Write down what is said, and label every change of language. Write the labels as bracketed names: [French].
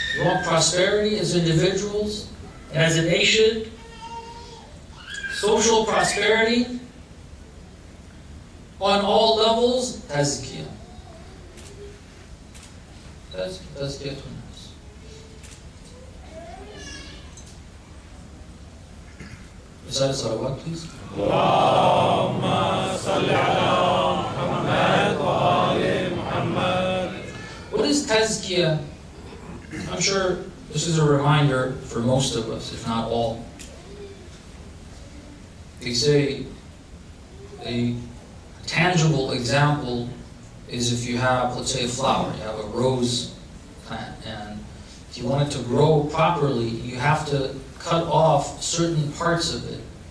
[English] You want prosperity as individuals, as a nation, social prosperity, on all levels, tazkiyah. Tazkiyah to nafs. Is that a salawat, please? [Arabic] اللهم صل على محمد وآل محمد. [English] What is tazkiyah? I'm sure this is a reminder for most of us, if not all. They say a tangible example is if you have, let's say, a flower. You have a rose plant, and if you want it to grow properly, you have to cut off certain parts of it.